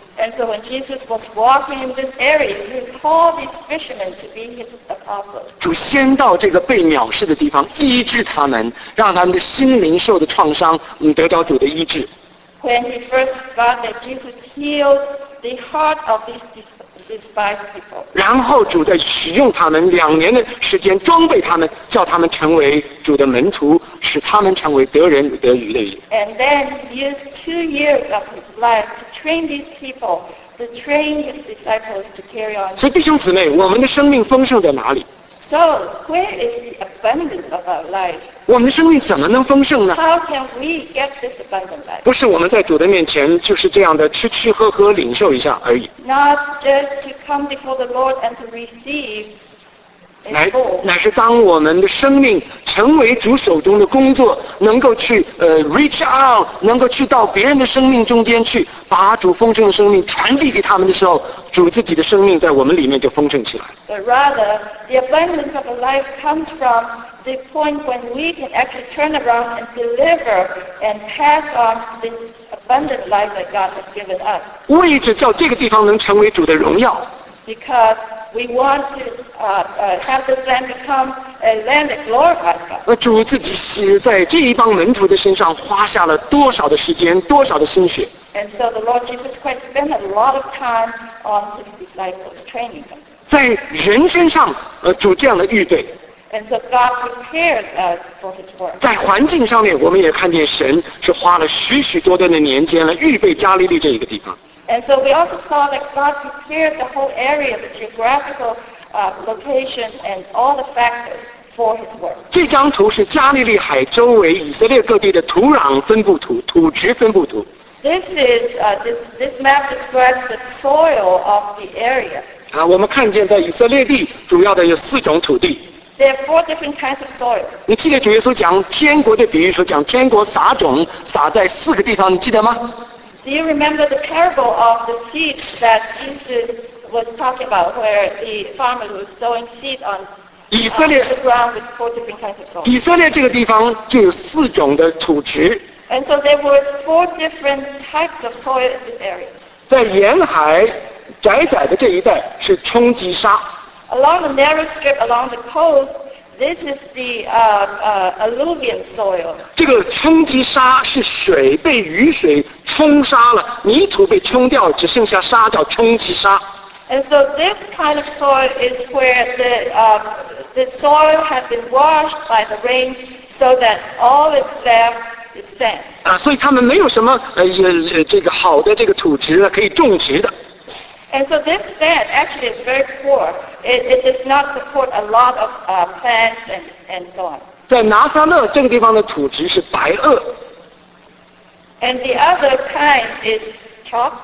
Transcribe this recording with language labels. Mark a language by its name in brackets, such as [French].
[English] And so when Jesus was walking in this area, he called these fishermen to be his apostles. [Chinese] 主先到这个被藐视的地方医治他们，让他们的心灵受的创伤得到主的医治。 [English] When he first got there, Jesus healed the heart of these despised people. [Chinese] 然后主再使用他们两年的时间装备他们，叫他们成为主的门徒，使他们成为得人得鱼的人。 [English] And then he used 2 years of his life to train these people, to train his disciples to carry on. [Chinese] 所以弟兄姊妹，我们的生命丰盛在哪里？ [English] So where is the abundance of our life? [Chinese] 我们的生命怎么能丰盛呢？ [English] How can we get this abundant life? [Chinese] 不是我们在主的面前就是这样的吃吃喝喝领受一下而已。 [English] Not just to come before the Lord and to receive [Chinese] 乃是当我们的生命成为主手中的工作，能够去 [English] reach out， [Chinese] 能够去到别人的生命中间去，把主丰盛的生命传递给他们的时候，主自己的生命在我们里面就丰盛起来。 [English] But rather, the abundance of life comes from the point when we can actually turn around and deliver and pass on this abundant life that God has given us. [Chinese] 为着叫这个地方能成为主的荣耀。 [English] Because we want to have this land become a land that glorifies God. [Chinese] 主自己是在这一帮门徒的身上花下了多少的时间，多少的心血。 [English] And so the Lord Jesus Christ spent a lot of time on his disciples training them. [Chinese] 在人身上，主这样的预备。 [English] And so God prepared us for his work. [Chinese] 在环境上面，我们也看见神是花了许许多多的年间来预备加利利这一个地方。 [English] And so we also saw that God prepared the whole area, the geographical location, and all the factors for His work. [Chinese] 这张图是加利利海周围以色列各地的土壤分布图，土质分布图。 [English] This is this map describes the soil of the area. [Chinese] 啊，我们看见在以色列地主要的有四种土地。 [English] There are four different kinds of soil. [Chinese] 你记得主耶稣讲天国的比喻，说讲天国撒种撒在四个地方，你记得吗？ [English] Do you remember the parable of the seed that Jesus was talking about, where the farmer was sowing seed on the ground with four different kinds of soil? [Chinese] 以色列这个地方就有四种的土质。 [English] And so there were four different types of soil in this area. [Chinese] 在沿海窄窄的这一带是冲击沙。 [English] Along the narrow strip along the coast,This is the alluvial soil. [Chinese] 这个冲击沙是水被雨水冲沙了，泥土被冲掉，只剩下沙，叫冲击沙。 [English] And so this kind of soil is where the soil has been washed by the rain, so that all is left is sand. [Chinese] 啊，所以他们没有什么这个好的这个土质可以种植的。 [English] And so this sand actually is very poor. It does not support a lot of plants and so on. [Chinese] 在拿撒勒这个地方的土质是白垩。 [English] And the other kind is chalk.